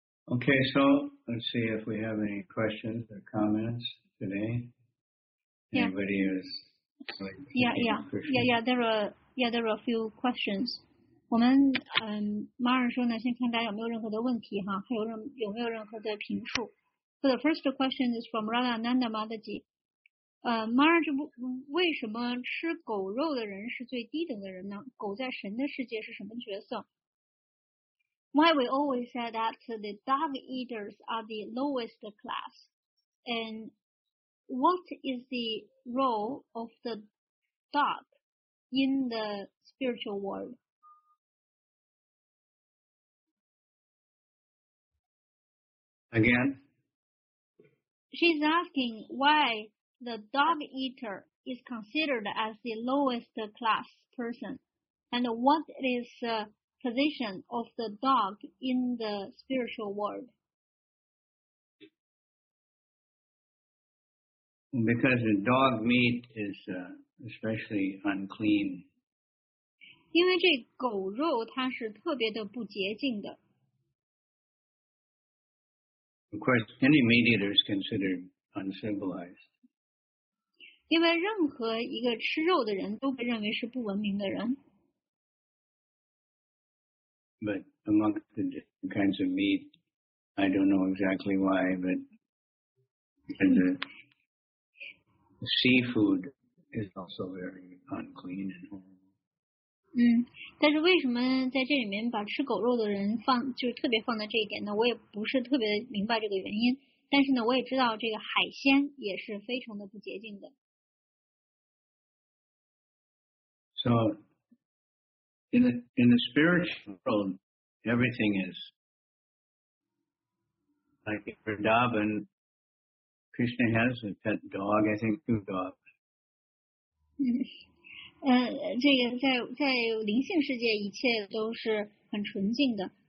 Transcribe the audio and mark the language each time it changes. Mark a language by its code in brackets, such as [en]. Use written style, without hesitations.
[en] Okay, so let's see if we have any questions or comments today. Anybody is? There are a few questions. [zh] 我们马尔说呢，先看大家有没有任何的问题哈，还有没有任何的评述。 [en] So the first question is from Radha Nanda Madhaji. [zh] Marge, 为什么吃狗肉的人是最低等的人呢？狗在神的世界是什么角色？ [en] Why we always say that the dog eaters are the lowest class? And what is the role of the dog in the spiritual world. Again? She's asking why the dog eater is considered as the lowest class person, and what is the position of the dog in the spiritual world? Because the dog meat is especially unclean. [zh] 因为这狗肉它是特别的不洁净的。 [en] Of course, any meat eater is considered uncivilized. [zh] 因为任何一个吃肉的人都被认为是不文明的人。 [en] But amongst the different kinds of meat, I don't know exactly why, but the seafood is also very unclean and horrible. [zh] 但是为什么在这里面把吃狗肉的人放就特别放在这一点呢？我也不是特别明白这个原因。但是呢，我也知道这个海鲜也是非常的不洁净的。 [en] So, in the spiritual world, everything is like Vrindavan. Krishna has a pet dog, I think two dogs. [zh] 这个在灵性世界一切都是很纯净的。